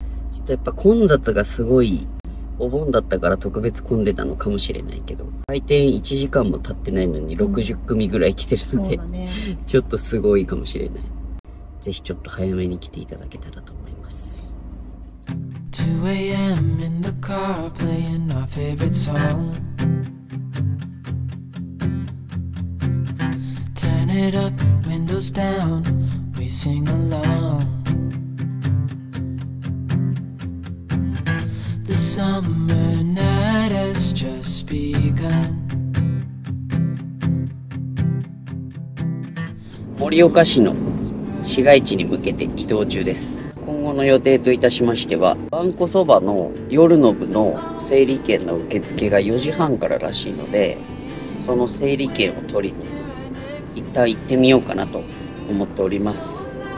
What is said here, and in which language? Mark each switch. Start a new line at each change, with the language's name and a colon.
Japanese: ちょっとやっぱ混雑がすごい、お盆だったから特別混んでたのかもしれないけど、開店1時間も経ってないのに60組ぐらい来てるので、うん、そうだね、ちょっとすごいかもしれない。ぜひちょっと早めに来ていただけたらと思います。
English: 2am in the car playing our favorite song. Turn it up, windows down, we sing along. The summer night has just begun.
Japanese: 盛岡市の市街地に向けて移動中です。今後の予定といたしましては、わんこそばの夜の部の整理券の受付が4時半かららしいので、その整理券を取りに一旦行ってみようかなと思っております。